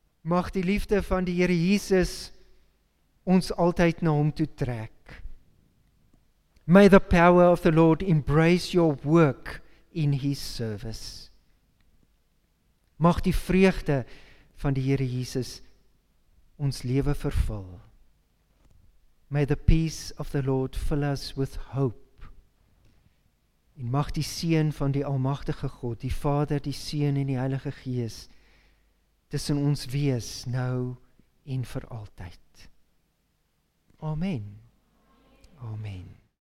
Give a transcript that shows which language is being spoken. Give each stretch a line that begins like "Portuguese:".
Afrikaans: Mag die liefde van die Here Jesus ons altyd na hom toe trek.
English: May the power of the Lord embrace your work in his service.
Afrikaans: Mag die vreugde van die Here Jesus ons lewe vervul.
English: May the peace of the Lord fill us with hope.
Afrikaans: En mag die seën van die Almagtige God, die Vader, die Seun en die Heilige Gees tussen ons wees nou en vir altyd. Amen. Amen.